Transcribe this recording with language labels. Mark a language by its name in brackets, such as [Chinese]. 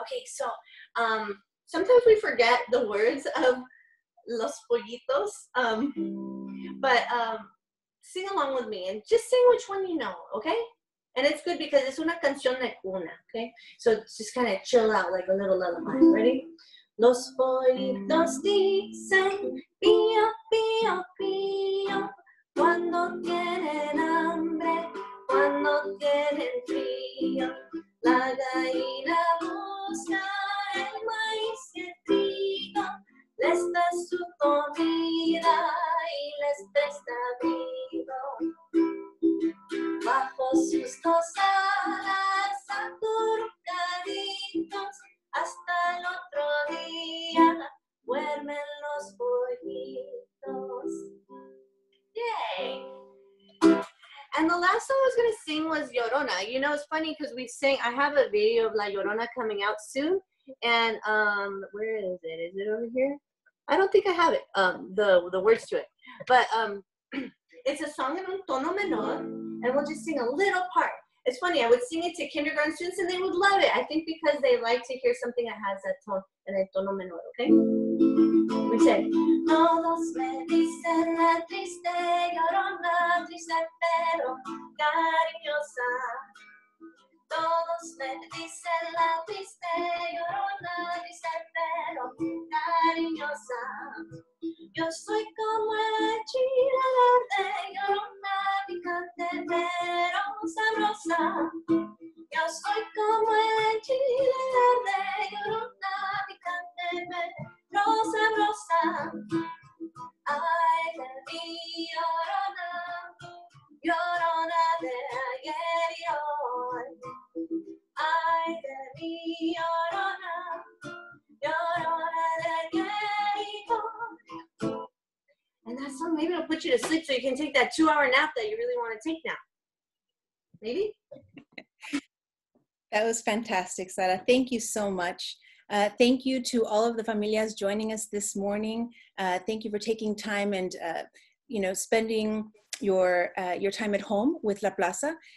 [English] Okay, so sometimes we forget the words of Los Pollitos, but sing along with me and just sing which one you know, okay? And it's good because it's una canción de cuna, okay? So just kind of chill out like a little lullaby. Ready? [Spanish] Los pollitos dicen pío, pío, pío cuando tienen hambre, cuando tienen frío. La gallina busca el maíz y el trigo, les da su comida y les presta vino. Bajo sus costadas acurrucaditos hasta el otro día duermen los pollitos. [English] Yay! And the last song I was going to sing was Llorona. You know, it's funny because we sing, I have a video of La Llorona coming out soon. And where is it? Is it over here? I don't think I have it, the words to it. But it's a song in un tono menor, and we'll just sing a little part. It's funny, I would sing it to kindergarten students, and they would love it. I think because they like to hear something that has that tone, and a tono menor, okay? We say, [Spanish] todos me dicen la triste llorona, triste pero cariñosa. Todos me dicen la triste llorona, triste pero cariñosa. Yo soy como el chile de llorona, picante pero sabrosa. Yo soy como el chile de llorona, picante pero sabrosa. Ay, de mi llorona, llorona de ayer y hoy. Ay, de mi llorona, llorona de ayer y hoy. [English] And that song maybe will put you to sleep so you can take that 2-hour nap that you really want to take now. Maybe? That was fantastic, Sara. Thank you so much. Thank you to all of the familias joining us this morning. Thank you for taking time and, spending your time at home with La Plaza.